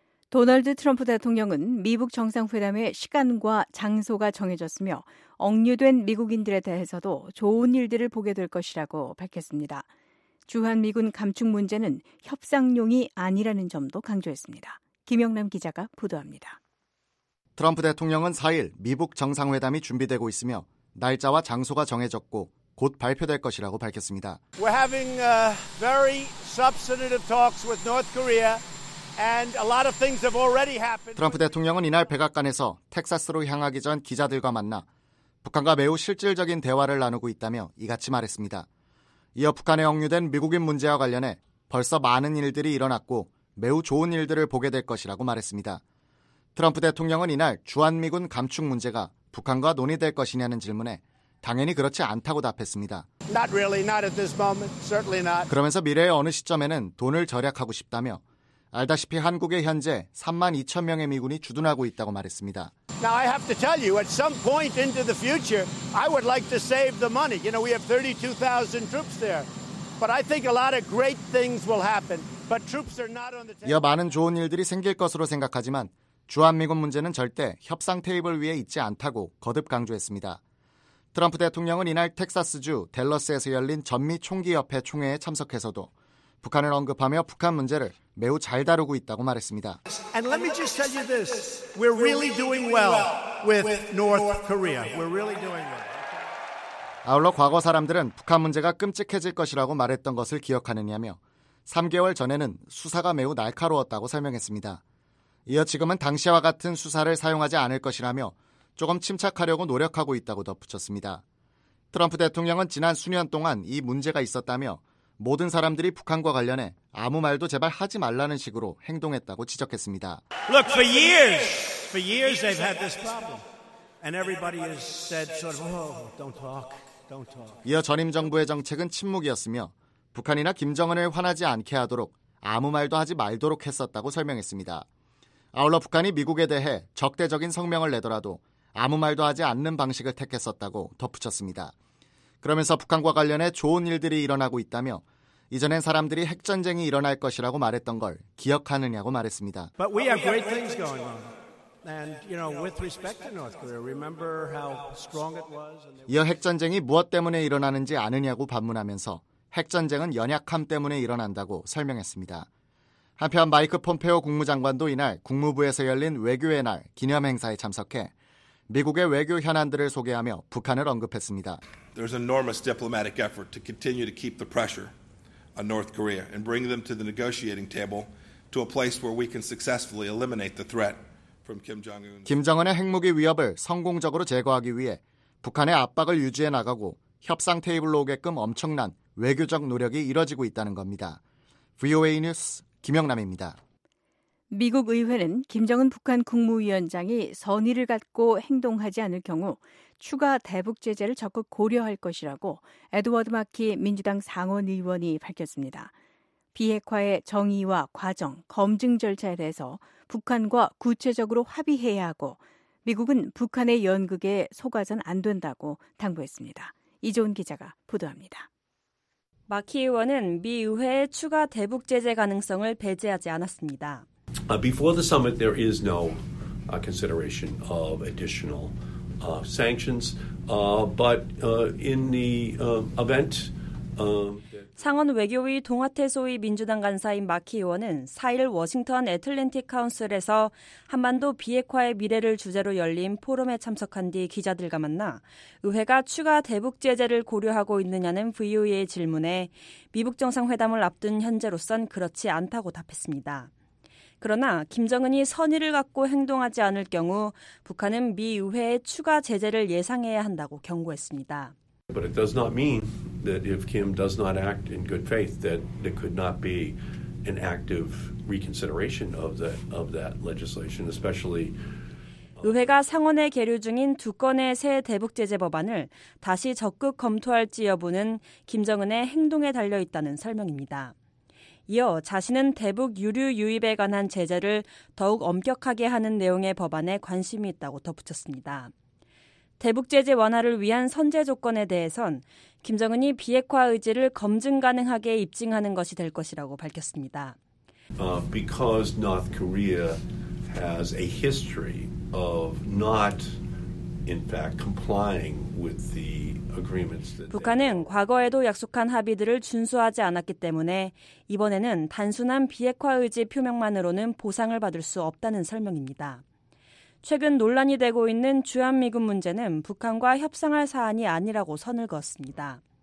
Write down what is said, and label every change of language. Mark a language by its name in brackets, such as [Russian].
[Korean] 도널드 트럼프 대통령은 미북 정상회담의 시간과 장소가 정해졌으며 억류된 미국인들에 대해서도 좋은 일들을 보게 될 것이라고 밝혔습니다. 주한미군 감축 문제는 협상용이 아니라는 점도 강조했습니다. 김영남 기자가 보도합니다. 트럼프 대통령은 4일 미북 정상회담이 준비되고 있으며 날짜와 장소가 정해졌고 곧 발표될 것이라고 밝혔습니다. [English] We're having very substantive talks with North Korea. And a lot of things have already happened. [Korean] 트럼프 대통령은 이날 백악관에서 텍사스로 향하기 전 기자들과 만나 북한과 매우 실질적인 대화를 나누고 있다며 이같이 말했습니다. 이어 북한에 억류된 미국인 문제와 관련해 벌써 많은 일들이 일어났고 매우 좋은 일들을 보게 될 것이라고 말했습니다. 트럼프 대통령은 이날 주한미군 감축 문제가 북한과 논의될 것이냐는 질문에 당연히 그렇지 않다고 답했습니다. [English] Not really, not at this moment. Certainly not. [Korean] 그러면서 미래의 어느 시점에는 돈을 절약하고 싶다며 알다시피 한국에 현재 3만 2천 명의 미군이 주둔하고 있다고 말했습니다. [English] Now I have to tell you, at some point into the future, I would like to save the money. You know, we have 32,000 troops there. But I think a lot of great things will happen. But troops are not on the table. [Korean] 이어 많은 좋은 일들이 생길 것으로 생각하지만 주한미군 문제는 절대 협상 테이블 위에 있지 않다고 거듭 강조했습니다. 트럼프 대통령은 이날 텍사스주 댈러스에서 열린 전미총기협회 총회에 참석해서도 북한을 언급하며 북한 문제를 매우 잘 다루고 있다고 말했습니다. [English] And let me just tell you this. We're really doing well with North Korea. We're really doing well. [Korean] 아울러 과거 사람들은 북한 문제가 끔찍해질 것이라고 말했던 것을 기억하느냐며 3개월 전에는 수사가 매우 날카로웠다고 설명했습니다. 이어 지금은 당시와 같은 수사를 사용하지 않을 것이라며 조금 침착하려고 노력하고 있다고 덧붙였습니다. 트럼프 대통령은 지난 수년 동안 이 문제가 있었다며 모든 사람들이 북한과 관련해 아무 말도 제발 하지 말라는 식으로 행동했다고 지적했습니다. [English] Look, for years they've had this problem. And everybody has said sort of, oh, don't talk. [Korean] 이어 전임 정부의 정책은 침묵이었으며 북한이나 김정은을 화나지 않게 하도록 아무 말도 하지 말도록 했었다고 설명했습니다. 아울러 북한이 미국에 대해 적대적인 성명을 내더라도 아무 말도 하지 않는 방식을 택했었다고 덧붙였습니다. 그러면서 북한과 관련해 좋은 일들이 일어나고 있다며 이전엔 사람들이 핵전쟁이 일어날 것이라고 말했던 걸 기억하느냐고 말했습니다. [English] But we have great things going on. And you know, with respect to North Korea, remember how strong it was. [Korean] 이어 핵전쟁이 무엇 때문에 일어나는지 아느냐고 반문하면서 핵전쟁은 연약함 때문에 일어난다고 설명했습니다. 한편 마이크 폼페오 국무장관도 이날 국무부에서 열린 외교의 날 기념 행사에 참석해 미국의 외교 현안들을 소개하며 북한을 언급했습니다. [English] There's enormous diplomatic effort to continue to keep the pressure on North Korea and bring them to the negotiating table to a place where we can successfully eliminate the threat from Kim Jong-un. [Korean] 김정은의 핵무기 위협을 성공적으로 제거하기 위해 북한의 압박을 유지해 나가고 협상 테이블로 오게끔 엄청난 외교적 노력이 이뤄지고 있다는 겁니다. VOA 뉴스 김영남입니다. 미국 의회는 김정은 북한 국무위원장이 선의를 갖고 행동하지 않을 경우 추가 대북 제재를 적극 고려할 것이라고 에드워드 마키 민주당 상원의원이 밝혔습니다. 비핵화의 정의와 과정, 검증 절차에 대해서 북한과 구체적으로 합의해야 하고 미국은 북한의 연극에 속아선 안 된다고 당부했습니다. 이종훈 기자가 보도합니다. 마키 의원은 미 의회의 추가 대북 제재 가능성을 배제하지 않았습니다. [English] Before the summit, there is no consideration of additional sanctions. But in the event, [Korean] 상원 외교위 동아태 소위 민주당 간사인 마키 의원은 4일 워싱턴 애틀랜틱 카운슬에서 한반도 비핵화의 미래를 주제로 열린 포럼에 참석한 뒤 기자들과 만나 의회가 추가 대북 제재를 고려하고 있느냐는 VOA의 질문에 미북 정상회담을 앞둔 현재로선 그렇지 않다고 답했습니다. 그러나 김정은이 선의를 갖고 행동하지 않을 경우 북한은 미 의회의 추가 제재를 예상해야 한다고 경고했습니다. [English] But it does not mean that if Kim does not act in good faith that there could not be an active reconsideration of that legislation, especially [Korean] 의회가 상원에 계류 중인 두 건의 새 대북 제재 법안을 다시 적극 검토할지 여부는 김정은의 행동에 달려 있다는 설명입니다. 이어 자신은 대북 유류 유입에 관한 제재를 더욱 엄격하게 하는 내용의 법안에 관심이 있다고 덧붙였습니다. 대북 제재 완화를 위한 선제 조건에 대해선 김정은이 비핵화 의지를 검증 가능하게 입증하는 것이 될 것이라고 밝혔습니다. [English] Because North Korea has a history of not in fact complying with the agreements that [Korean] 북한은 과거에도 약속한 합의들을 준수하지 않았기 때문에 이번에는 단순한 비핵화 의지 표명만으로는 보상을 받을 수 없다는 설명입니다. 최근 논란이 되고 있는 주한미군 문제는 북한과 협상할 사안이 아니라고 선을 그었습니다.